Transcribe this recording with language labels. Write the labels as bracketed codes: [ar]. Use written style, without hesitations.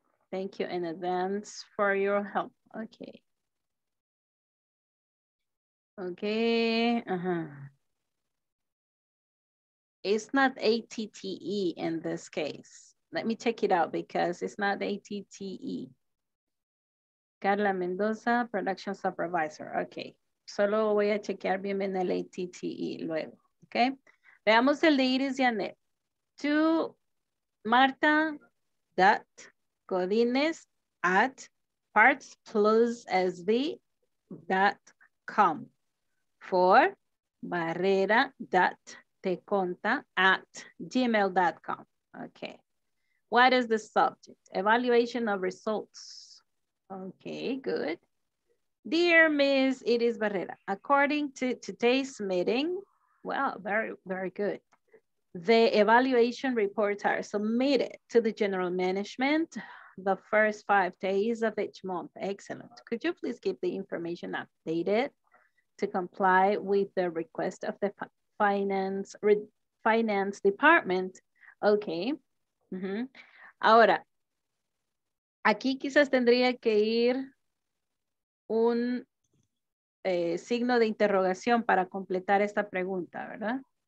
[en] Thank you in advance for your help, okay. Okay, uh-huh. It's not ATTE in this case. Let me check it out because it's not ATTE. Carla Mendoza, production supervisor. Okay. [es] Solo voy a chequear bien en el ATTE luego. [en] Okay. [es] Veamos el de Iris y Anet. [en] To Marta dot Godinez at partsplussv.com. For Barrera dot Te conta at gmail.com. Okay. What is the subject? Evaluation of results. Okay, good. Dear Ms. Iris Barrera, according to today's meeting, well, very, very good. The evaluation reports are submitted to the general management the first 5 days of each month. Excellent. Could you please keep the information updated to comply with the request of the finance department. Okay. Uh-huh. [es] Ahora, aquí quizás tendría que ir un signo de interrogación para completar esta pregunta, ¿verdad?